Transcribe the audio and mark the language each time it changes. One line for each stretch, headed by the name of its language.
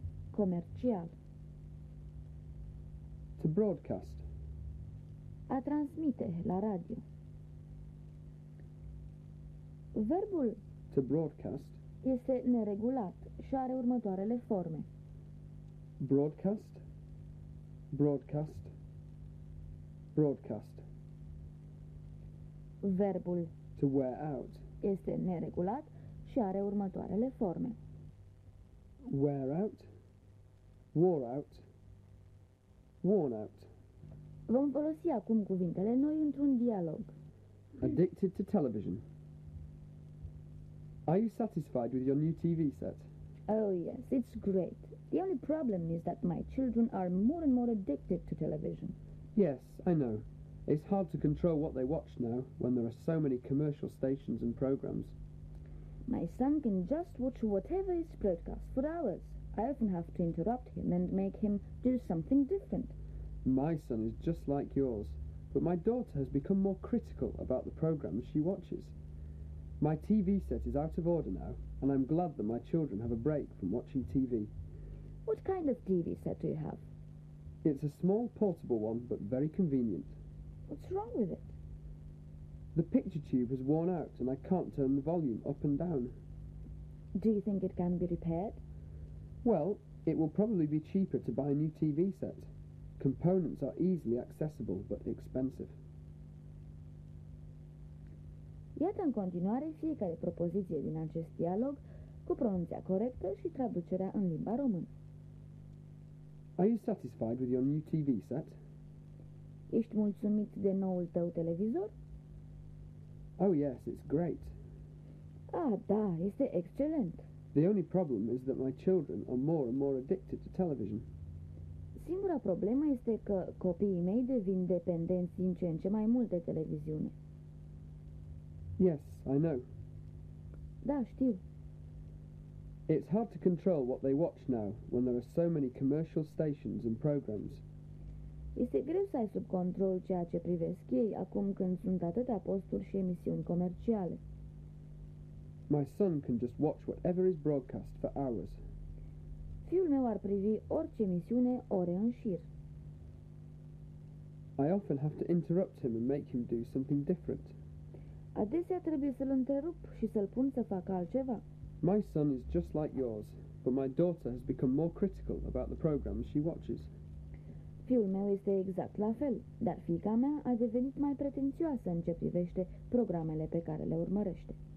Romanian: Comercial.
English: To broadcast.
Romanian: A transmite la radio. Verbul
English: to broadcast
Romanian: este neregulat și are următoarele forme.
English: Broadcast, broadcast, broadcast.
Romanian: Verbul
English: to wear out
Romanian: este neregulat și are următoarele forme.
English: Wear out, wore out, worn out.
Romanian: Vom folosi acum cuvintele noi într-un dialog.
English: Addicted to television. Are you satisfied with your new TV set? Oh yes, it's great. The only problem is that my children are more and more addicted to television. Yes, I know. It's hard to control what they watch now when there are so many commercial stations and programs. My son can just watch whatever is broadcast for hours. I often have to interrupt him and make him do something different. My son is just like yours, but my daughter has become more critical about the programs she watches. My TV set is out of order now, and I'm glad that my children have a break from watching TV. What kind of TV set do you have? It's a small portable one, but very convenient. What's wrong with it? The picture tube has worn out, and I can't turn the volume up and down. Do you think it can be repaired? Well, it will probably be cheaper to buy a new TV set. Components are easily accessible, but expensive.
Romanian: Iată în continuare fiecare propoziție din acest dialog cu pronunția corectă și traducerea în limba română.
English: Are you satisfied with your new TV set?
Romanian: Ești mulțumit de noul tău televizor?
English: Oh yes, it's great.
Romanian: Ah, da, este excelent.
English: The only problem is that my children are more and more addicted to television.
Romanian: Singura problemă este că copiii mei devin dependenți din ce în ce mai mult de televiziune.
English: Yes, I know.
Romanian: Da, știu.
English: It's hard to control what they watch now when there are so many commercial stations and programs.
Romanian: Este greu să ai sub control ceea ce privesc ei acum când sunt atâtea posturi și emisiuni comerciale.
English: My son can just watch whatever is broadcast for hours.
Romanian: Fiul meu ar privi orice emisiune ore în șir.
English: I often have to interrupt him and make him do something different.
Romanian: Adesea trebuie să-l întrerup și să-l pun să facă altceva.
English: My son is just like yours, but my daughter has become more critical about the programs she watches.
Romanian: Fiul meu este exact la fel, dar fiica mea a devenit mai pretențioasă în ce privește programele pe care le urmărește.